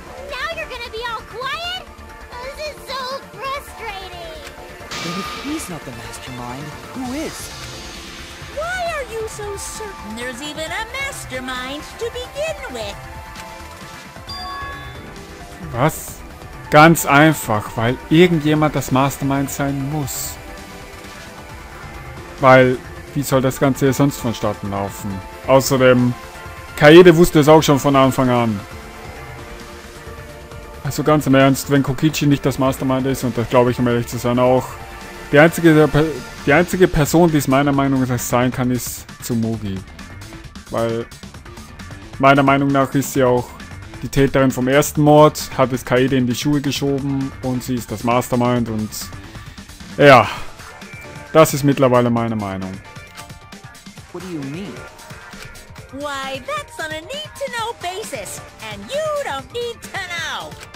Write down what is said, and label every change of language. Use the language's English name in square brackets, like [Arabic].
[English] Now you're gonna be all quiet? This is so frustrating! Then if he's not the mastermind, who is? Why are you so certain there's even a mastermind to begin with? [German] Was? Ganz einfach, weil irgendjemand das Mastermind sein muss. Weil, wie soll das Ganze sonst vonstatten laufen? Außerdem, Kaede wusste es auch schon von Anfang an. Also ganz im Ernst, wenn Kokichi nicht das Mastermind ist, und das glaube ich, um ehrlich zu sein, auch. Die einzige Person, die es meiner Meinung nach sein kann, ist Tsumugi. Weil, meiner Meinung nach ist sie auch... Die Täterin vom ersten Mord hat es Kaede in die Schuhe geschoben und sie ist das Mastermind und ja, das ist mittlerweile meine Meinung. [English] What do you mean? Why, that's on a need-to-know basis, and you don't need to know.